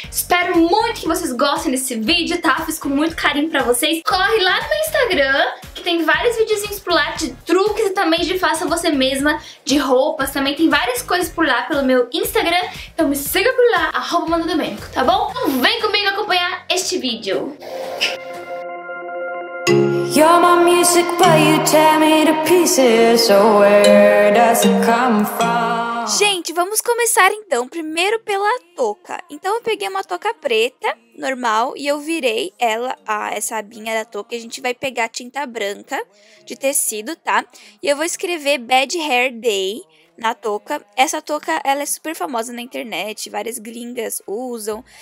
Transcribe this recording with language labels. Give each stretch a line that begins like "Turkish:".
Portuguese: Espero muito que vocês gostem desse vídeo, tá? Fiz com muito carinho pra vocês. Corre lá no meu Instagram, que tem vários videozinhos por lá de truques e também de faça você mesma de roupas. Também tem várias coisas por lá pelo meu Instagram. Então me siga por lá, arroba Amanda Domênico, tá bom? Então vem comigo acompanhar este vídeo.
English: You're my music, but you tear me to pieces. So where does it come from?
Portuguese: Gente, vamos começar então primeiro pela touca. Então eu peguei uma touca preta, normal, e eu virei ela, essa abinha da touca. A gente vai pegar tinta branca de tecido, tá? E eu vou escrever Bad Hair Day na touca. Essa touca, ela é super famosa na internet, várias gringas usam.